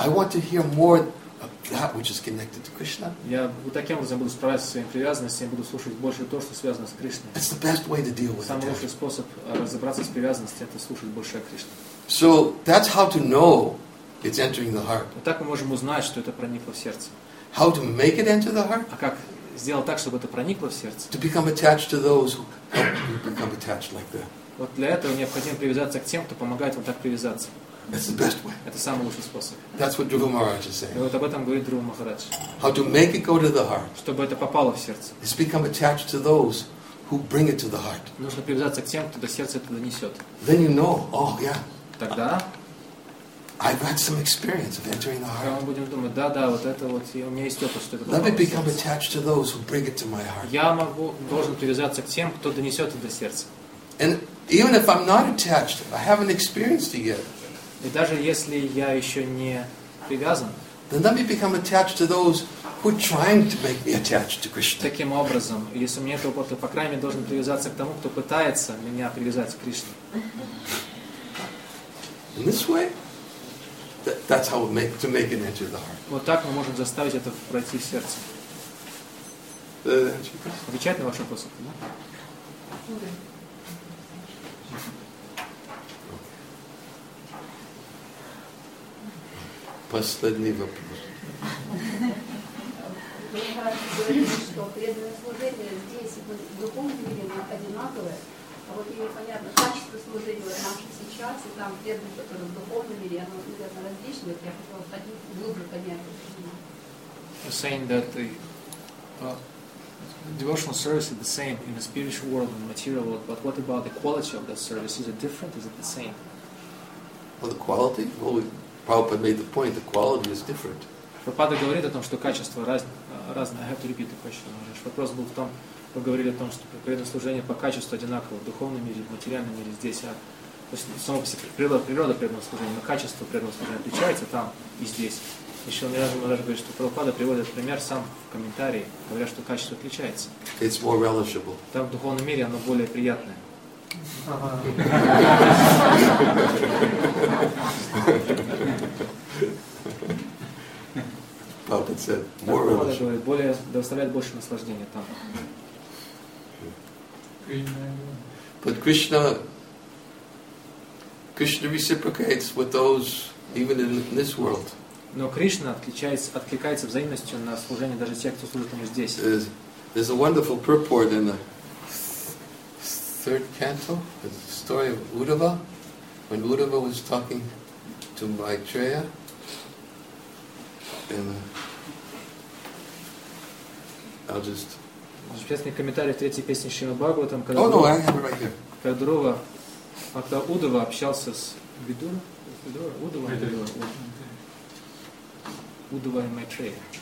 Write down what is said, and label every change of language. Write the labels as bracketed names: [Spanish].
[English] I want to hear more of that which is connected to Krishna. [Russian] Я вот таким образом буду справляться со своими привязанностями, буду слушать больше то, что связано с Кришной. [English] That's the best way to deal with [Russian] Самый лучший способ разобраться с привязанностью — это слушать больше о Кришне. [English] So that's how to know it's entering the heart. [Russian] Вот так мы можем узнать, что это проникло в сердце. [English] How to make it enter the heart? [Russian] А как сделать так, чтобы это проникло в сердце? [English] To become attached to those who help you become attached like that. [Russian] Вот для этого необходимо привязаться к тем, кто помогает вам так привязаться. [English] That's the best way. [Russian] Это самый лучший способ. [English] That's what Dhruva Maharaj is saying. [Russian] И вот об этом говорит Дхрува Махарадж. [English] How to make it go to the heart. [Russian] Чтобы это попало в сердце. [English] Is become attached to those who bring it to the heart. [Russian] Нужно привязаться к тем, кто до сердца это донесет. [English] Then you know, oh yeah. [Russian] Тогда. [English] I've had some experience of entering the heart. [Russian] Мы будем думать, да, вот это вот, и у меня есть опыт, что это. [English] Let me become attached to those who bring it to my heart. [Russian] Я могу, должен привязаться к тем, кто донесет это до сердца. [English] And even if I'm not attached, I haven't experienced it yet. [Russian] И даже если я еще не привязан, [English] then let me become attached to those who are trying to make me attached to Krishna. [Russian] Таким образом, если у меня нет опыта, по крайней мере, должен привязаться к тому, кто пытается меня привязать к Кришне. [English] In this way, that's how to make it enter the heart. [Russian] Вот так мы можем заставить это пройти в сердце. Отвечать на ваш вопрос, да? [English] Okay. [Russian] Последний вопрос. Вы говорите, что преданное служение здесь и в другом мире одинаковое. А вот ей понятно, качество служения там же сейчас, и там преданное, которое в духовном мире, оно, наверное, различное. Я хотела ходить глубже понять. [English] You're saying that the devotional service is the same in the spiritual world and material world, but what about the quality of that service? Is it different? Is it the same? Well, the quality? Well, Prabhupada made the point, the quality is different. [Russian] Prabhupada говорит о том, что качество разное. [English] I have to repeat the question. [Russian] Вопрос был в том, вы говорили о том, что преданное служение по качеству одинаково в духовном мире, в материальном мире, здесь. То есть само по себе природа преданного служения, но качество преданного служения отличается там и здесь. Еще он не раз говорит, что Прабхупада приводит пример сам в комментарии, говоря, что качество отличается. [English] It's more relishable. [Russian] Там в духовном мире оно более приятное. [English] Prabhupada said, more relish. [Russian] Говорит, более, доставляет больше наслаждения там. [English] But Krishna reciprocates with those even in this world. [Russian] Но Кришна откликается взаимностью на служение даже тех, кто служит ему здесь. [English] There's a wonderful purport in the third canto, the story of Uddhava, when Uddhava was talking to Maitreya, and I'll just. [Russian] Честный комментарий в третьей песне Шримад-Бхагаватам, когда Дхрува, когда Удава общался с Видура, Удава и Майтрея.